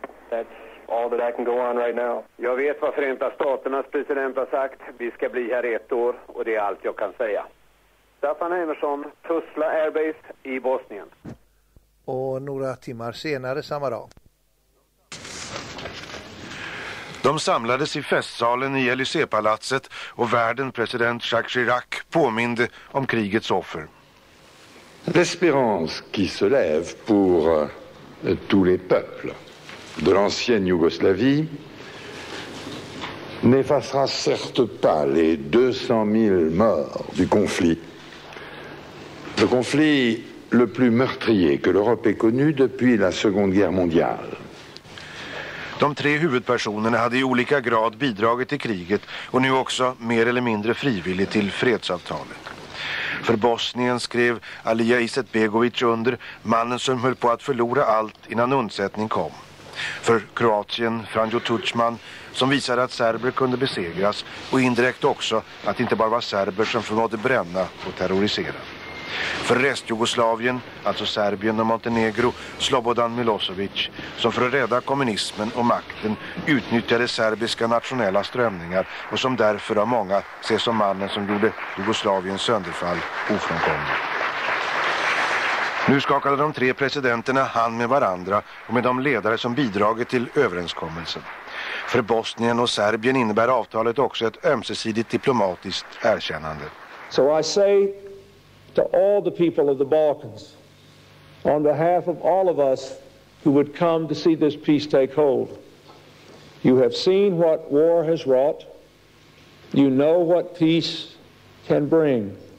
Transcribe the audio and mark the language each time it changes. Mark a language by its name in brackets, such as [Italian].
[English] That's all that I can go on right now. [Swedish] Jag vet vad Förenta Staternas president har sagt. Vi ska bli här ett år och det är allt jag kan säga. Staffan Emerson, Tuzla Airbase i Bosnien. Och några timmar senare samma dag. De samlades i festsalen i Elysée-palatset och världen president Jacques Chirac påminde om krigets offer. [French] L'espérance qui se lève pour tous les peuples de l'ancienne Yougoslavie n'effacera certes pas les 200 000 morts du conflit. Le conflit le plus meurtrier que l'Europe ait connu depuis la Seconde Guerre mondiale. [Swedish] De tre huvudpersonerna hade i olika grad bidragit till kriget och nu också mer eller mindre frivilligt till fredsavtalet. För Bosnien skrev Alija Izetbegovic under, mannen som höll på att förlora allt innan undsättning kom. För Kroatien, Franjo Tudjman, som visade att serber kunde besegras och indirekt också att inte bara var serber som förmådde bränna och terrorisera. För Restjugoslavien, alltså Serbien och Montenegro, Slobodan Milosevic, som för att rädda kommunismen och makten utnyttjade serbiska nationella strömningar och som därför av många ses som mannen som gjorde Jugoslaviens sönderfall ofrånkomlig. Nu skakade de tre presidenterna hand med varandra och med de ledare som bidragit till överenskommelsen. För Bosnien och Serbien innebär avtalet också ett ömsesidigt diplomatiskt erkännande. [English] So I say to all the people of the Balkans, on behalf of all of us who would come to see this peace take hold, you have seen what war has wrought, you know what peace can bring.